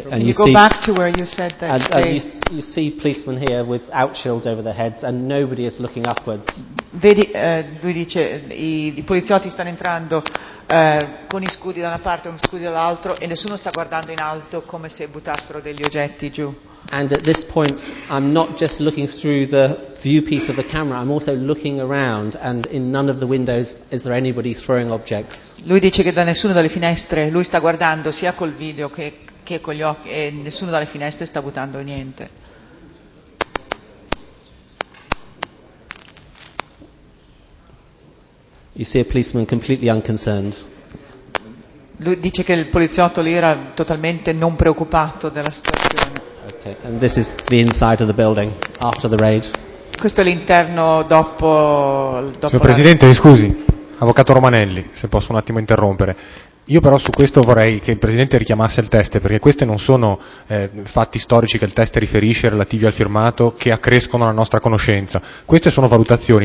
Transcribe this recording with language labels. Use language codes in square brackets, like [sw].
[en] Can you go back to where you said that? You see policemen here without shields over their heads, and nobody is looking upwards. [it] Vedi, lui dice i poliziotti stanno entrando. Con gli scudi da una parte e uno scudo dall'altro e nessuno sta guardando in alto come se buttassero degli oggetti giù. [en] And at this point I'm not just looking through the view piece of the camera, I'm also looking around and in none of the windows is there anybody throwing objects. [it] Lui dice che da nessuna delle finestre lui sta guardando sia col video che con gli occhi e nessuno dalle finestre sta buttando niente. [en] You see a policeman completely unconcerned. [it] Lui dice che il poliziotto lì era totalmente non preoccupato della situazione. [en] Okay, and this is the inside of the building after the raid. [it] Questo è l'interno dopo. Signor Presidente, mi scusi, avvocato Romanelli, se posso un attimo interrompere. Io però su questo vorrei che il Presidente richiamasse il test, perché questi non sono fatti storici che il test riferisce relativi al firmato che accrescono la nostra conoscenza. Queste sono valutazioni.